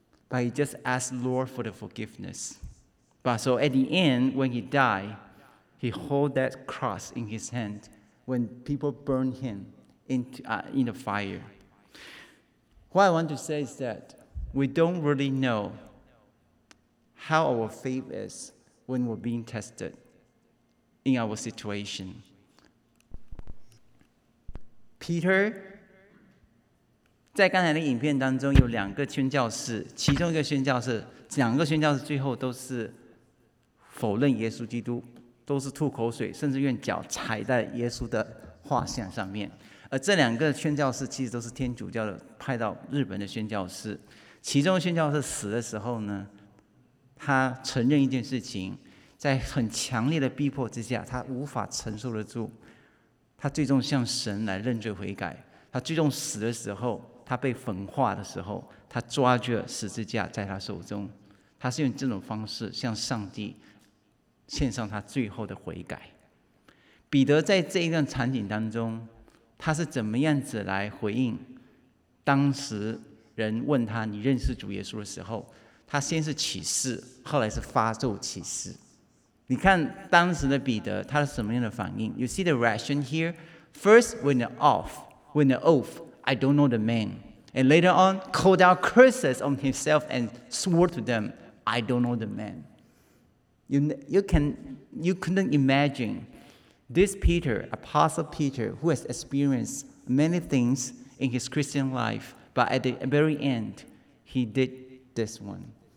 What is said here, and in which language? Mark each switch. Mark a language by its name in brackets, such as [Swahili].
[English] But he just asked the Lord for the forgiveness. But so at the end, when he died, he hold that cross in his hand when people burn him in the fire. What I want to say is that we don't really know how our faith is when we're being tested in our situation. [Chinese] Peter, 在刚才的影片当中有两个宣教士，其中一个宣教士，两个宣教士最后都是否认耶稣基督，都是吐口水，甚至用脚踩在耶稣的画像上面。而这两个宣教士其实都是天主教的派到日本的宣教士，其中宣教士死的时候呢，他承认一件事情，在很强烈的逼迫之下，他无法承受得住，他最终向神来认罪悔改。他最终死的时候，他被焚化的时候，他抓着十字架在他手中，他是用这种方式向上帝献上他最后的悔改。彼得在这一段场景当中，他是怎么样子来回应当时人问他你认识主耶稣的时候，他先是启示，后来是发咒启示。你看当时的彼得他是什么样的反应。 [English] You see the reaction here. First when the oath, when the oath, I don't know the man. And later on called out curses on himself and swore to them, I don't know the man. You couldn't imagine this Peter, Apostle Peter, who has experienced many things in his Christian life, but at the very end, he did this one.